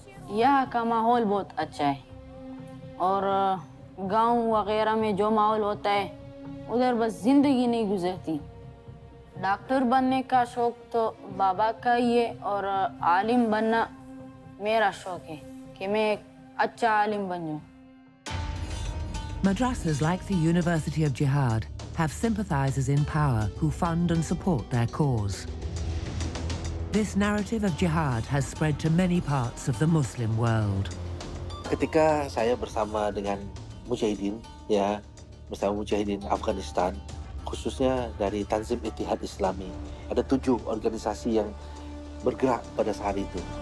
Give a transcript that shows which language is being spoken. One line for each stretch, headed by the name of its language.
Hindi: यहाँ का माहौल बहुत अच्छा है और गांव वगैरह में जो माहौल होता है उधर बस जिंदगी नहीं गुजरती डॉक्टर बनने का शौक तो बाबा का ही है और आलिम बनना मेरा शौक है कि मैं एक अच्छा आलिम बन जाऊं
English: Madrasas like the University of Jihad have sympathizers in power who fund and support their cause. This narrative of jihad has spread to many parts of the Muslim world.
Indonesian: Ketika saya bersama dengan Mujahideen, ya, bersama Mujahideen Afghanistan, khususnya dari Tanzim Ittihad Islami, ada 7 organisasi yang bergerak pada saat itu.